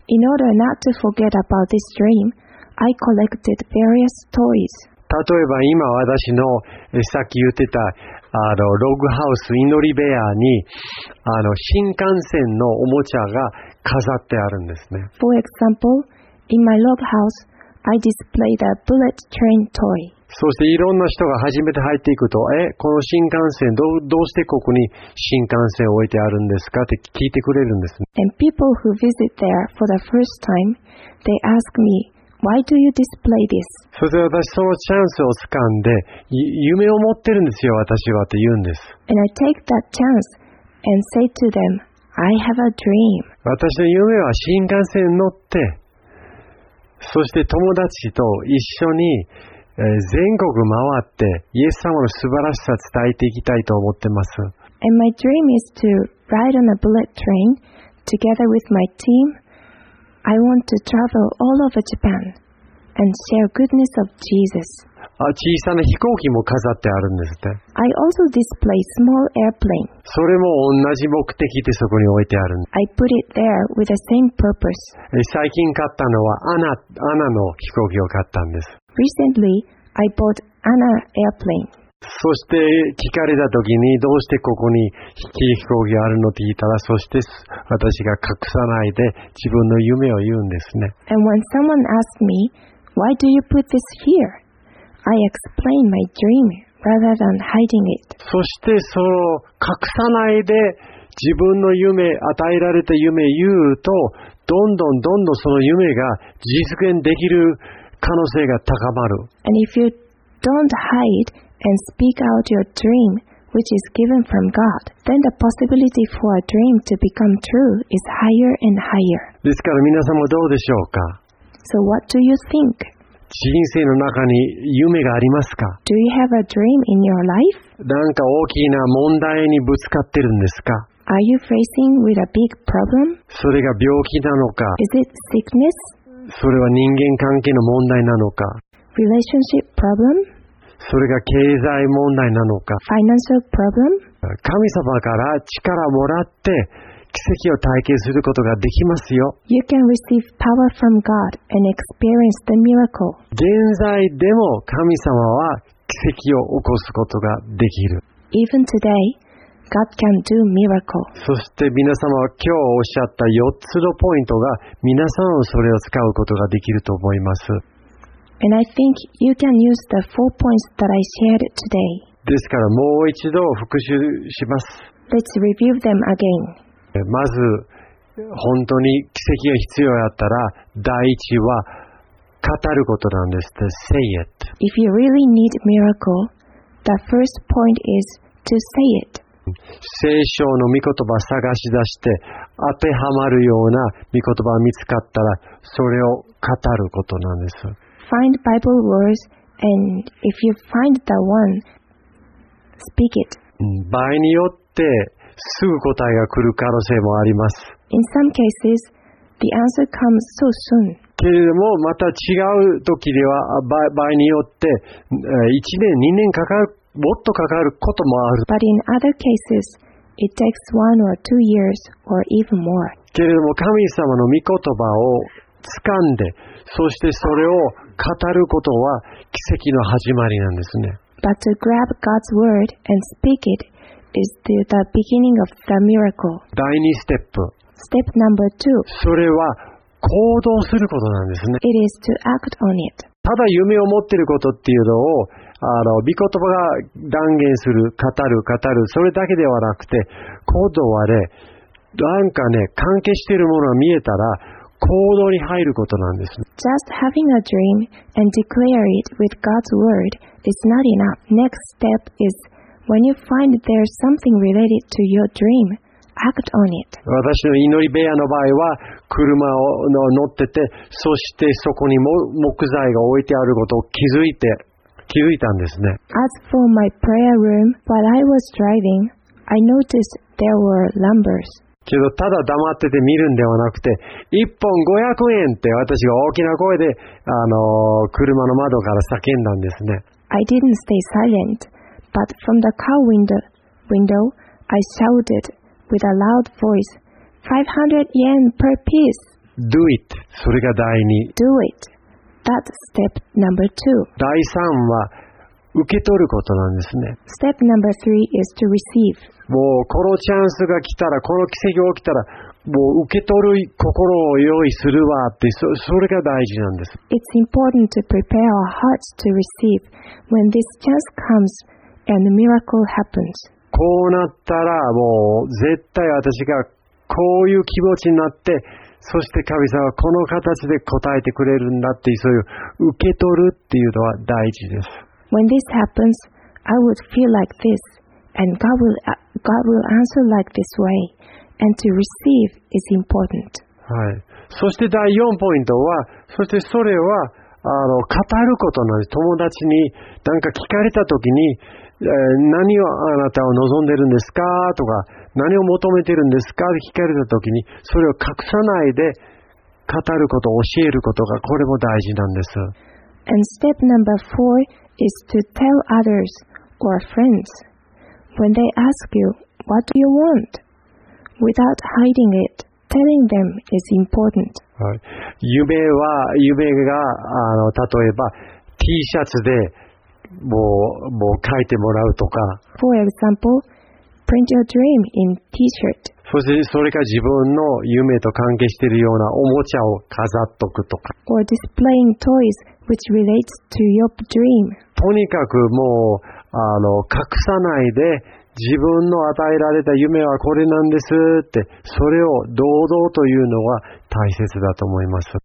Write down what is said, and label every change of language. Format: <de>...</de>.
<en>In order not to forget about this dream, I collected various toys.</en> <ja>例えば今私のさっき言ってたログハウス祈り部屋に新幹線のおもちゃが飾ってあるんですね。</ja> <en>For example, in my log house, I display the bullet train toy.</en> <ja>そしていろんな人が初めて入っていくと、この新幹線どうしてここに新幹線を置いてあるんですかって聞いてくれるんですね。</ja> <en>And people who visit there for the first time, they ask me, Why do you display this?</en> <ja>それで私そのチャンスを掴んで、夢を持ってるんですよ、私はって言うんです。</ja> <en>And I take that chance and say to them, I have a dream.</en> <ja>私の夢は新幹線に乗って、そして友達と一緒に全国回って、イエス様の素晴らしさを伝えていきたいと思ってます。</ja> <en>And my dream is to ride on a bullet train together with my team. I want to travel all over Japan and share goodness of Jesus.</en> <ja>あ、小さな飛行機も飾ってあるんですって。</ja> <en>I also display small airplane.</en> <ja>それも同じ目的でそこに置いてあるんです。</ja> <en>I put it there with the same purpose.</en> <ja>最近買ったのはアナの飛行機を買ったんです。</ja> <en>Recently, I bought Anna airplane.</en> <ja>そして聞かれた時にどうしてここに飛行機があるのって聞いたら、そして私が隠さないで自分の夢を言うんですね。</ja> <en>And when someone asked me, why do you put this here? I explained my dream rather than hiding it.</en> <ja>そしてその隠さないで自分の夢、与えられた夢を言うと、どんどんどんどんその夢が実現できる可能性が高まる。</ja> <en>And if you don't hideAnd speak out your dream, which is given from God. Then the possibility for a dream to become true is higher and higher.</en> <ja>ですから皆さんもどうでしょうか?</ja> <en>So what do you think?</en> <ja>人生の中に夢がありますか?</ja> <en>Do you have a dream in your life?</en> <ja>なんか大きな問題にぶつかってるんですか?</ja> <en>Are you facing with a big problem?</en> <ja>それが病気なのか?</ja> <en>Is it sickness?</en> <ja>それは人間関係の問題なのか?</ja> <en>Relationship problem?</en> <ja>それが経済問題なのか。</ja> <en>Financial problem?</en> <ja>神様から力をもらって奇跡を体験することができますよ。</ja> <en>You can receive power from God and experience the miracle.</en> <ja>現在でも神様は奇跡を起こすことができる。</ja> <en>Even today, God can do miracle.</en> <ja>そして皆様は今日おっしゃった4つのポイントが、皆さんはそれを使うことができると思います。</ja> <en>And I think you can use the four points that I shared today.</en> <ja>ですからもう一度復習します。</ja> <en>Let's review them again.</en> <ja>まず本当に奇跡が必要だったら、第一は語ることなんです。</ja> <en>To say it. If you really need miracle, the first point is to say it.</en> <ja>聖書の御言葉探し出して当てはまるような御言葉が見つかったら、それを語ることなんです。</ja> <en>Find Bible words, and if you find the one, speak it.</en> <ja>場合によってすぐ答えが来る可能性もあります。</ja> <en>In some cases, the answer comes so soon.</en> <ja>けれどもまた違う時では場合によって1年、2年かかる、もっとかかることもある。</ja> <en>But in other cases, it takes one or two years or even more.</en> <ja>けれども神様の御言葉を掴んで、そしてそれを語ることは奇跡の始まりなんですね。</ja> <en>But to grab God's word and speak it is the beginning of the miracle.</en> <ja>第二ステップ。</ja> <en>Step number two.</en> <ja>それは行動することなんですね。</ja> <en>It is to act on it.</en> <ja>ただ夢を持っていることっていうのを、御言葉が断言する、語る、それだけではなくて、行動はね、なんかね、関係しているものが見えたら、行動に入ることなんです。</ja> <en>Just having a dream and declare it with God's word is not enough. Next step is when you find there's something related to your dream, act on it.</en> <ja>私の祈り部屋の場合は、車を乗ってて、そしてそこに木材が置いてあることを気づいたんですね。</ja> <en>As for my prayer room, while I was driving, I noticed there were lumbers.</en> <ja>けどただ黙ってて見るんではなくて、1本500円って私が大きな声で車の窓から叫んだんですね。</ja> <en>I didn't stay silent, but from the car window, I shouted with a loud voice, 500 yen per piece. Do it.</en> <ja>それが第二。</ja> <en>Do it. That's step number two.</en> <ja>第三は受け取ることなんですね。</ja> <en>Step number three is to receive.</en> <ja>もうこのチャンスが来たら、この奇跡が起きたら、もう受け取る心を用意するわって、それが大事なんです。</ja> <en>It's important to prepare our hearts to receive when this chance comes and the miracle happens.</en> <ja>こうなったら、もう絶対私がこういう気持ちになって、そして神様はこの形で答えてくれるんだっていう、そういう受け取るっていうのは大事です。</ja> <en>When this happens, I would feel like this, and God will answer like this way, and to receive is important.</en> <ja>はい。そして第4ポイントは、そしてそれは、語ることなんです。友達に何か聞かれたときに、何をあなたを望んでるんですかとか、何を求めてるんですかって聞かれたときに、それを隠さないで語ること、教えることが、これも大事なんです。</ja> <en>And step number four is to tell others or friends. When they ask you, what do you want? Without hiding it. Telling them is important.</en> <ja>夢は夢が例えば T シャツでもう書いてもらうとか。</ja> <en>For example, print your dream in T-shirt.</en> <ja>そしてそれか自分の夢と関係しているようなおもちゃを飾っとくとか。</ja> <en>Or displaying toys which relates to your dream.</en> <ja>とにかくもう隠さないで。自分の与えられた夢はこれなんですって、それを堂々というのは大切だと思います。</ja>